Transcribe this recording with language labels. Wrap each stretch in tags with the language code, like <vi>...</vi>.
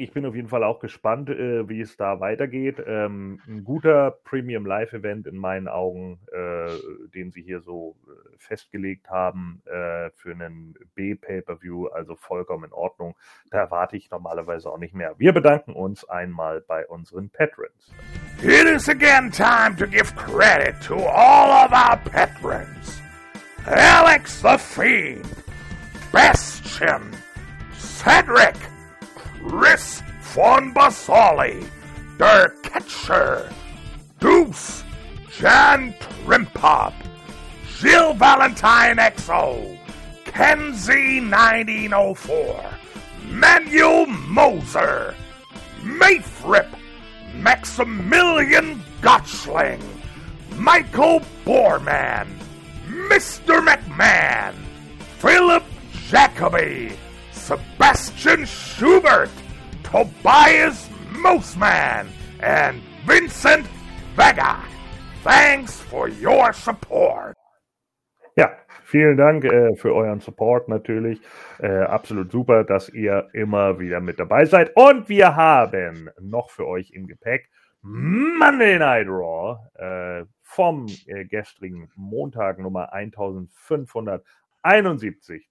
<de>Ich bin auf jeden Fall auch gespannt, wie es da weitergeht. Ein guter Premium-Live-Event in meinen Augen, den sie hier so festgelegt haben für einen B-Pay-Per-View, also vollkommen in Ordnung. Da erwarte ich normalerweise auch nicht mehr. Wir bedanken uns einmal bei unseren Patrons.</de> <en>It is again time to give credit to all of our Patrons. Alex the Fiend, Bastion, Cedric, Chris von Basali, Der Catcher, Deuce, Jan Trimpop, Jill Valentine XO, Kenzie 1904, Manuel Moser, Mayfrip, Maximilian Gotchling, Michael Boorman, Mr. McMahon, Philip Jacoby, Sebastian Schubert, Tobias Moseman, and Vincent Vega. Thanks for your support.</en> <de>Ja, vielen Dank für euren Support natürlich. Absolut super, dass ihr immer wieder mit dabei seid. Und wir haben noch für euch im Gepäck Monday Night Raw vom gestrigen Montag Nummer 1571.</de>